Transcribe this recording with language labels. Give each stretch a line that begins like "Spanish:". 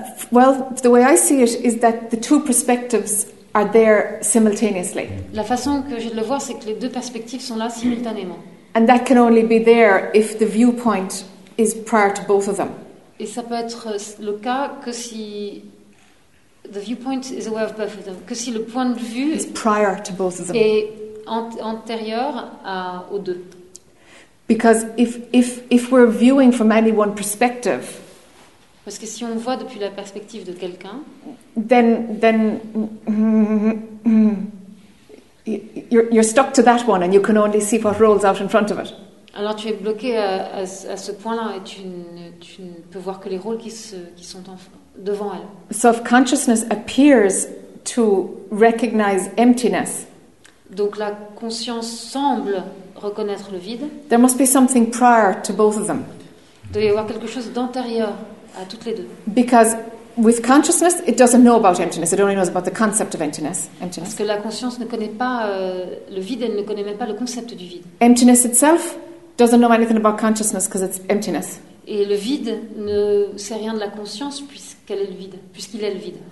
English: Well, the way I see it is that the two perspectives are there simultaneously.
French: La façon que j'ai de le voir, c'est que les deux perspectives sont là simultanément.
English: And that can only be there if the viewpoint is prior to both of them.
French: Et ça peut être le cas que si
English: the viewpoint is aware of both of them,
French: que si le point de vue
English: is prior to both of them.
French: Est antérieur aux deux.
English: Because if we're viewing from any one perspective,
French: parce que si on voit depuis la perspective de quelqu'un,
English: then you're stuck to that one and you can only see what rolls out in front of it.
French: Alors tu es bloqué à ce point-là et tu ne peux voir que les rôles qui sont devant elle.
English: So if consciousness appears to recognize emptiness.
French: Donc la conscience semble reconnaître le vide.
English: There must be something prior to both of them.
French: Il doit y avoir quelque chose d'antérieur à toutes les deux.
English: Because with consciousness, it doesn't know about emptiness. It only knows about the concept of emptiness.
French: Parce que la conscience ne connaît pas le vide, elle ne connaît même pas le concept du vide.
English: Emptiness itself doesn't know anything about consciousness because it's emptiness.
French: Et le vide ne sait rien de la conscience puisqu'elle est le vide, puisqu'il est le vide.